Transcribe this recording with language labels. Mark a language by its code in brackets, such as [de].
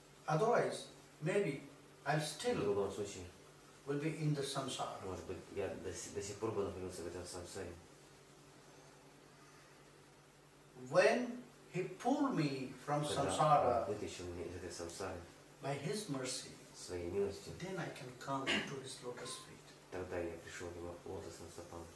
[en] Otherwise, maybe I'll still [ru] в любом случае, [en] will be in the samsara. [ru] Может быть, я до сих пор бы находился в этом самсаре. [en] When he pulled me from samsara, [ru] вытащил меня из этой самсары, [en] by his mercy, [ru] своей милостью, [en] then I can come to his lotus feet. [ru] Тогда я пришел к его лотосным стопам.